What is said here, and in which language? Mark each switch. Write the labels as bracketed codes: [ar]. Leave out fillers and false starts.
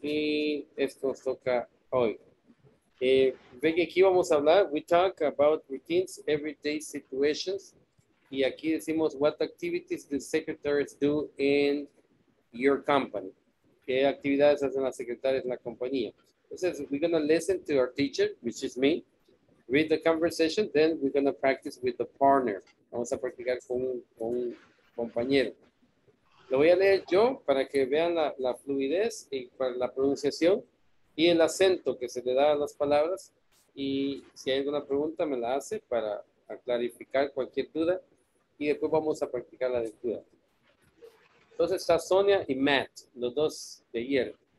[es] Y esto nos toca hoy. Ve que aquí vamos a hablar. [en] We talk about routines, everyday situations. [es] Y aquí decimos, [en] what activities do secretaries do in your company? [es] ¿Qué actividades hacen las secretarias en la compañía? [en] Entonces, we're going to listen to our teacher, which is me, read the conversation, then we're going to practice with the partner. [es] Vamos a practicar con un compañero. Lo voy a leer yo para que vean la fluidez y para la pronunciación y el acento que se le da a las palabras. Y si hay alguna pregunta, me la hace para clarificar cualquier duda. Y después vamos a practicar la lectura. Entonces, está Sonia y Matt, los dos de ayer.